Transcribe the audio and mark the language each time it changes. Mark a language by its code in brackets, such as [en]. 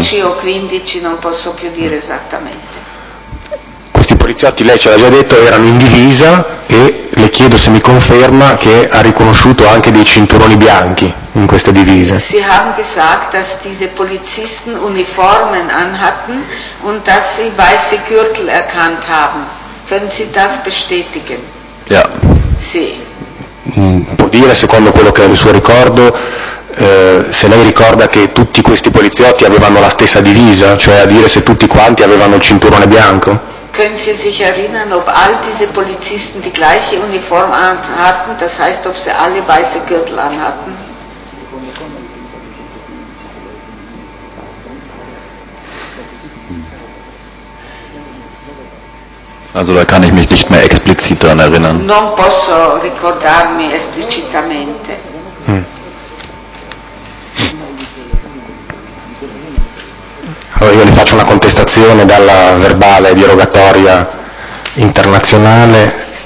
[it] 10 o 15, non posso più dire esattamente. Questi poliziotti, lei ce l'ha già detto, erano in divisa e le chiedo se mi conferma che ha riconosciuto anche dei cinturoni bianchi in queste divise. [de] Sie haben gesagt, dass diese Polizisten Uniformen anhatten und dass sie weiße Gürtel erkannt haben. Können Sie das bestätigen? Ja. [it] Sì. Può dire, secondo quello che è il suo ricordo, se lei ricorda che tutti questi poliziotti avevano la stessa divisa, cioè a dire se tutti quanti avevano il cinturone bianco? [de] Können Sie sich erinnern, ob all diese Polizisten die gleiche Uniform anhatten, das heißt, ob sie alle weiße Gürtel anhatten? Also da kann ich mich nicht mehr explizit daran erinnern. [it] Non posso ricordarmi esplicitamente. Allora io le faccio una contestazione dalla verbale di rogatoria internazionale.